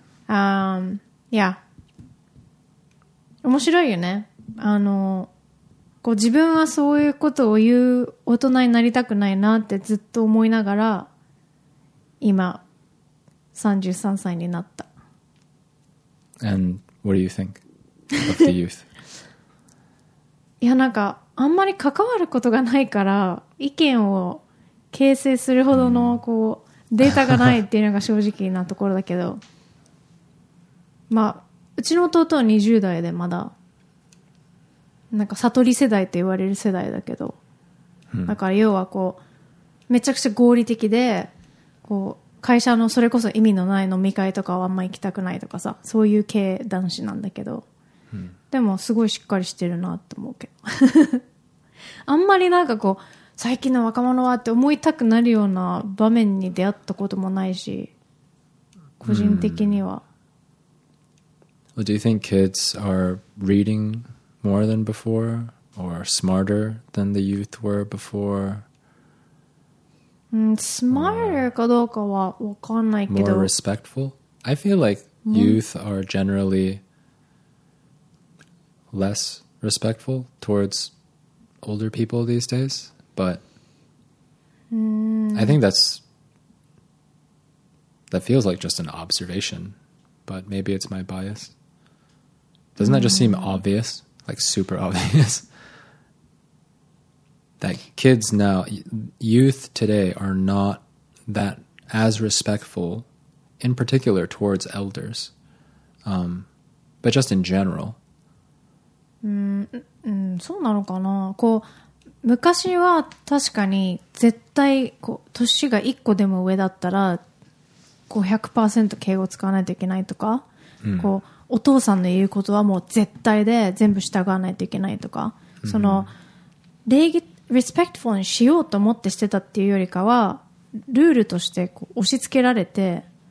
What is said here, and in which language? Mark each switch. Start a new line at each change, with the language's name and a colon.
Japanese: いや。面白いよね。こう自分はそういうことを言う大人になりたくないなってずっと思いながら、今、33歳になった。
English: And what do you think of the youth?
Japanese: いや、なんかあんまり関わることがないから意見を形成するほどのこうデータがないっていうのが正直なところだけど、まあうちの弟は20代でまだなんか悟り世代って言われる世代だけど、だから要はこうめちゃくちゃ合理的でこう会社のそれこそ意味のない飲み会とかはあんま行きたくないとかさ、そういう系男子なんだけど、うん、でもすごいしっかりしてるなって思うけどあんまりなんかこう最近の若者はって思いたくなるような場面に出会ったこともないし、個人的には、
English: うん、Well, do you think kids are reading more than before or smarter than the youth were before?
Japanese: Smarter かどうかは分かんないけど。
English: More respectful? I feel like youth are generally less respectful towards older people these days, but I think that feels like just an observation, but maybe it's my bias. Doesn't that just seem obvious, like super obvious? That kids now, youth today, are not that as respectful, in particular towards elders, but just in general.
Japanese: そうなのかな。こう昔は確かに絶対こう年が一個でも上だったらこう 100% 敬語使わないといけないとか、こうお父さんの言うことはもう絶対で全部従わないといけないとか、その礼儀リスペクトフォルにしようと思ってしてたっていうよりかはルールとしてこう押し付けられて